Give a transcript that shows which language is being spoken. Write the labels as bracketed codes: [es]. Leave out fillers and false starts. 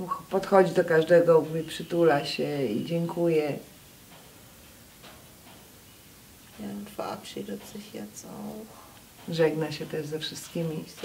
[pl] Podchodzi do każdego, mówi, przytula się i dziękuję. [de] Ja, und verabschiedet sich jetzt auch. [pl] Żegna się też ze wszystkimi.